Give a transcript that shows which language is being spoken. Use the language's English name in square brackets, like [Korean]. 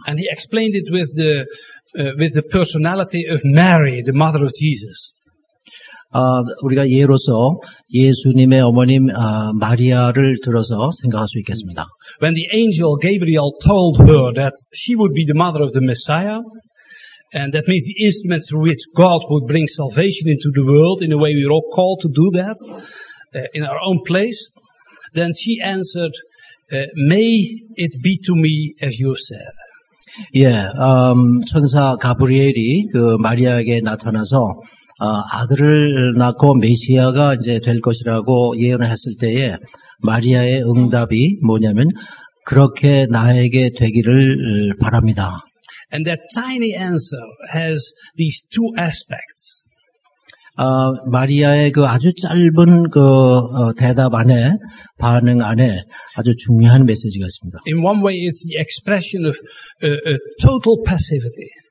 [English] And he explained it with the personality of Mary, the mother of Jesus. [Korean] 우리가 예로서 예수님의 어머님 마리아를 들어서 생각할 수 있겠습니다. [English] When the angel Gabriel told her that she would be the mother of the Messiah, and that means the instrument through which God would bring salvation into the world in a way we were all called to do that in our own place, then she answered, May it be to me as you said. [Korean] 예, 천사 가브리엘이 그 마리아에게 나타나서 아들을 낳고 메시아가 이제 될 것이라고 예언을 했을 때에 마리아의 응답이 뭐냐면 그렇게 나에게 되기를 바랍니다. [English] And that tiny answer has these two aspects. [Korean] 마리아의 그 아주 짧은 그 대답 안에 반응 안에 아주 중요한 메시지가 있습니다. [English] In one way, it's the expression of total passivity.